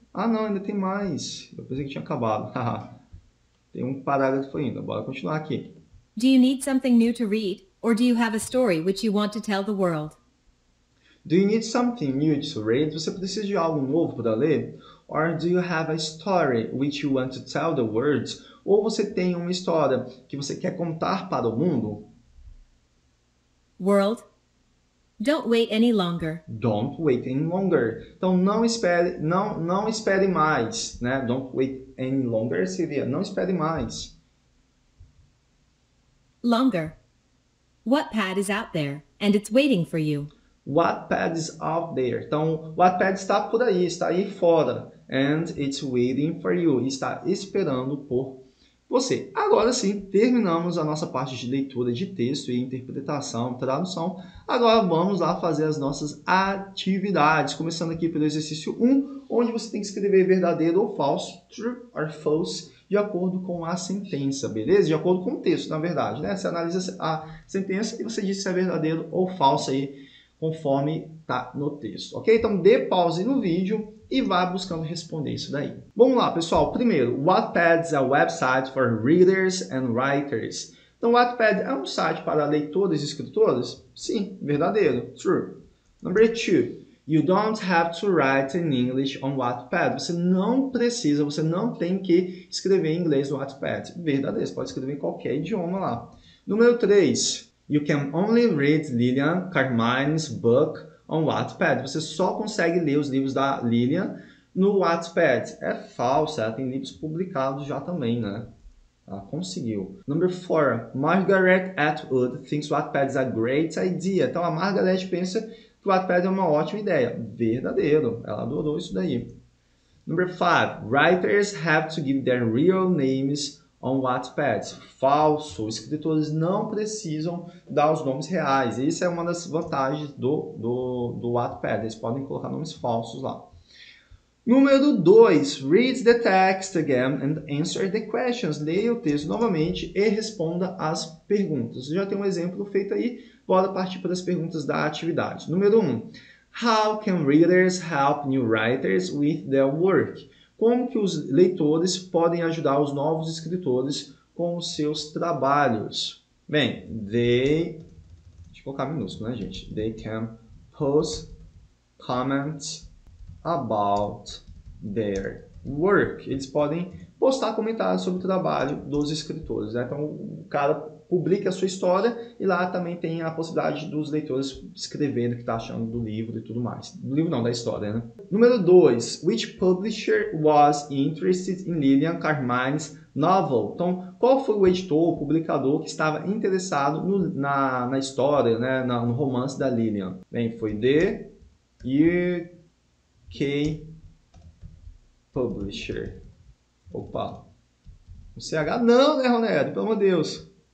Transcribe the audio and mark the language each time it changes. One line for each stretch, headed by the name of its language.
Portuguese: Ah, não, ainda tem mais. Eu pensei que tinha acabado. Tem um parágrafo ainda. Bora continuar aqui.
English: Do you need something new to read, or do you have a story which you want to tell the world? Do you need something new to read?
Portuguese: Você precisa de algo novo para ler?
English: Or do you have a story which you want to tell the world?
Portuguese: Ou você tem uma história que você quer contar para o mundo?
English: World, don't wait any longer. Don't wait any longer.
Portuguese: Então não espere mais, né?
English: Don't wait any longer
Portuguese: seria não espere mais.
English: Longer. Wattpad is out there and it's waiting for you. Wattpad is out there.
Portuguese: Então, Wattpad está por aí, está aí fora.
English: And it's waiting for you.
Portuguese: Está esperando você. Agora sim, terminamos a nossa parte de leitura de texto e interpretação, tradução. Agora vamos lá fazer as nossas atividades. Começando aqui pelo exercício 1, onde você tem que escrever verdadeiro ou falso,
English: true or false,
Portuguese: de acordo com a sentença, beleza? De acordo com o texto, na verdade, né? Você analisa a sentença e você diz se é verdadeiro ou falso aí, conforme tá no texto, ok? Então dê pause no vídeo e vá buscando responder isso daí. Vamos lá, pessoal.
English: Primeiro, Wattpad is a website for readers and writers.
Portuguese: Então, Wattpad é um site para leitores e escritores? Sim, verdadeiro. True.
English: Number two, you don't have to write in English on Wattpad.
Portuguese: Você não tem que escrever em inglês no Wattpad. Verdadeiro, você pode escrever em qualquer idioma lá. Número 3.
English: You can only read Lillian Carmine's book on Wattpad.
Portuguese: Você só consegue ler os livros da Lillian no Wattpad. É falso, ela tem livros publicados já também, né? Ela conseguiu. Number 4.
English: Margaret Atwood thinks Wattpad is a great idea.
Portuguese: Então, a Margaret pensa que o Wattpad é uma ótima ideia. Verdadeiro. Ela adorou isso daí. Number 5.
English: Writers have to give their real names on Wattpad.
Portuguese: Falso. Escritores não precisam dar os nomes reais. Isso é uma das vantagens do Wattpad. Eles podem colocar nomes falsos lá. Número 2.
English: Read the text again and answer the questions.
Portuguese: Leia o texto novamente e responda às perguntas. Já tem um exemplo feito aí. Bora partir para as perguntas da atividade. Número 1.
English: How can readers help new writers with their work?
Portuguese: Como que os leitores podem ajudar os novos escritores com os seus trabalhos? Bem, deixa eu colocar minúsculo, né, gente?
English: They can post comments about their work.
Portuguese: Eles podem postar comentários sobre o trabalho dos escritores, né? Então, o cara publica a sua história e lá também tem a possibilidade dos leitores escrevendo o que está achando do livro e tudo mais. Do livro não, da história, né? Número 2.
English: Which publisher was interested in Lillian Carmine's novel?
Portuguese: Então, qual foi o editor, o publicador que estava interessado no, na história, né? No romance da Lillian? Bem, foi The UK Publisher. Opa. O CH? Não, né, Ronaldo? Pelo amor de Deus.